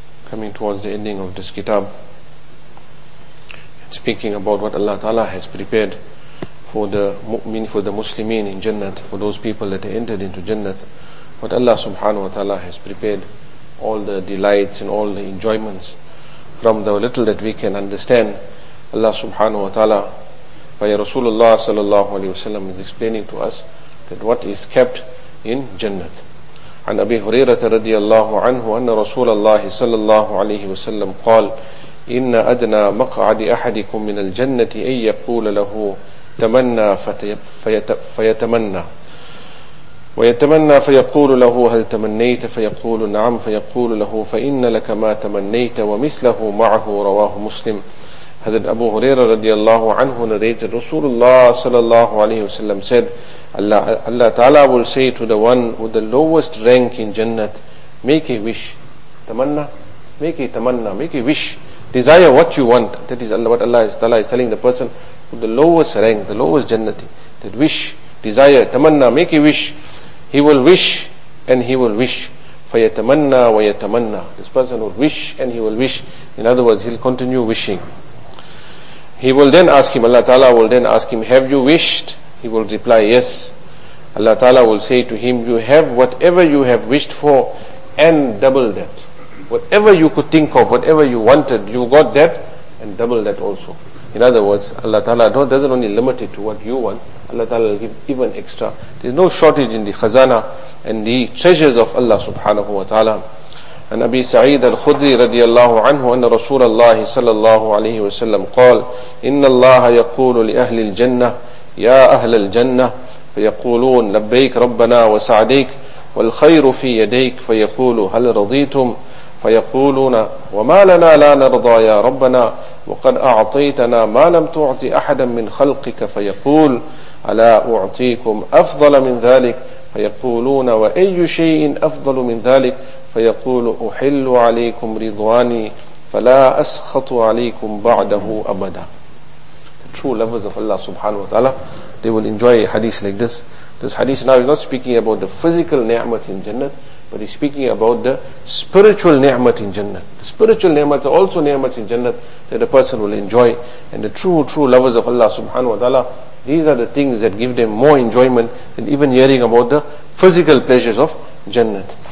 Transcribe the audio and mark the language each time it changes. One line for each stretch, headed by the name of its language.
English: Coming towards the ending of this kitab, and speaking about what Allah Ta'ala has prepared for the mu'min, for the Muslimin in Jannat, for those people that entered into Jannat, what Allah Subhanahu wa Ta'ala has prepared, all the delights and all the enjoyments, from the little that we can understand, Allah Subhanahu wa Ta'ala by Rasulullah Sallallahu Alaihi Wasallam is explaining to us that what is kept in Jannat.
Arabic: عن أبي هريرة رضي الله عنه أن رسول الله صلى الله عليه وسلم قال إن أدنى مقعد أحدكم من الجنة أن يقول له تمنى فيتمنى ويتمنى فيقول له هل تمنيت فيقول نعم فيقول له فإن لك ما تمنيت ومثله معه رواه مسلم. هذا أبو هريرة رضي الله عنه
English: narrated
Arabic: رسول الله صلى الله عليه وسلم
English: said Allah Ta'ala will say to the one with the lowest rank in Jannat, make a wish, tamanna, make a wish, desire what you want. That is what Allah Ta'ala is telling the person with the lowest rank, the lowest Jannati, that wish, desire, tamanna, make a wish. He will wish and he will wish.
Arabic: Fayatamanna wa yatamanna.
English: This person will wish and he will wish. In other words, he'll continue wishing. He will then ask him, Allah Ta'ala will then ask him, have you wished? He will reply, yes. Allah Ta'ala will say to him, you have whatever you have wished for and double that. Whatever you could think of, whatever you wanted, you got that and double that also. In other words, Allah Ta'ala doesn't only limit it to what you want. Allah Ta'ala will give even extra. There's no shortage in the khazana and the treasures of Allah Subhanahu wa Ta'ala.
Arabic: And Abi Sa'id al-Khudri radiyallahu anhu anna Rasulullah sallallahu alayhi wa sallam qal, inna Allah yaqulu li ahli al-jannah, يا أهل الجنة فيقولون لبيك ربنا وسعديك والخير في يديك فيقول هل رضيتم فيقولون وما لنا لا نرضى يا ربنا وقد أعطيتنا ما لم تعطي أحدا من خلقك فيقول ألا أعطيكم أفضل من ذلك فيقولون وأي شيء أفضل من ذلك فيقول أحل عليكم رضواني فلا أسخط عليكم بعده أبدا.
English: True lovers of Allah subhanahu wa ta'ala, they will enjoy a hadith like this. This hadith now is not speaking about the physical ni'mat in Jannah, but he's speaking about the spiritual ni'mat in Jannah. The spiritual ni'mat are also ni'mat in Jannah that a person will enjoy. And the true lovers of Allah subhanahu wa ta'ala, these are the things that give them more enjoyment than even hearing about the physical pleasures of Jannah.